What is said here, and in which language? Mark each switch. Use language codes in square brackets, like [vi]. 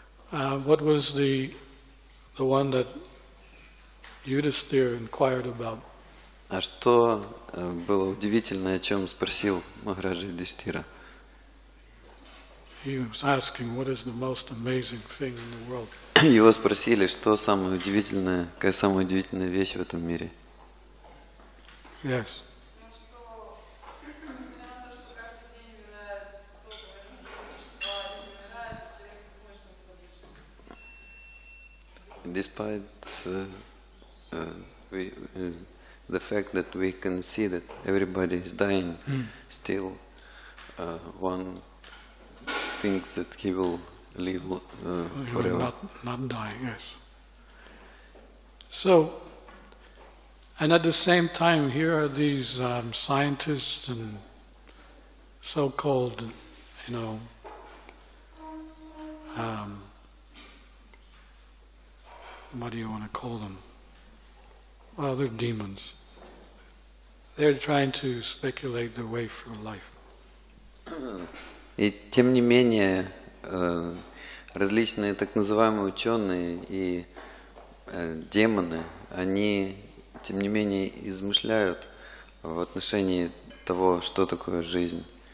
[en] What was the one that Yudhisthira inquired about? [ru] А что было удивительное, о чем спросил Махарадж Юдхиштхира? [en] He was asking, what is the most amazing thing in the world? [ru] Его спросили, что самое удивительное, какая самая удивительная вещь в этом мире? [en] Yes. Despite the fact that we can see that everybody is dying, still one thinks that he will live forever. He will not die, yes. So, and at the same time, here are these scientists and so-called, you know, what do you want to call them? Well, they're demons. They're trying to speculate their way through life. [ru] И тем не менее, различные так называемые ученые и демоны, они тем не менее измышляют в отношении того, что такое жизнь.